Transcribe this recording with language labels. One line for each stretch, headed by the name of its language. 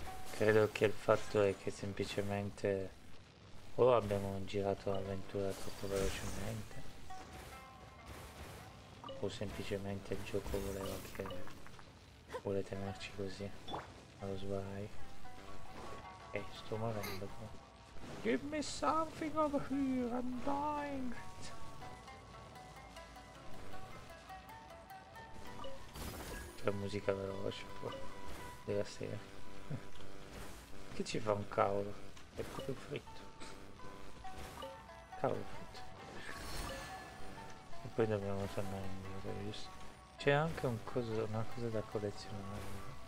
Italian: Credo che il fatto è che semplicemente o abbiamo girato l'avventura troppo velocemente o semplicemente il gioco voleva che vuole tenerci così allo sbaraglio. E sto morendo qua.
English: Give me something over here, I'm dying.
Italian: La musica veloce poi della sera. Che ci fa un cavolo? È proprio fritto. Cavolo fritto. E poi dobbiamo tornare indietro, giusto? C'è anche un coso, una cosa da collezionare.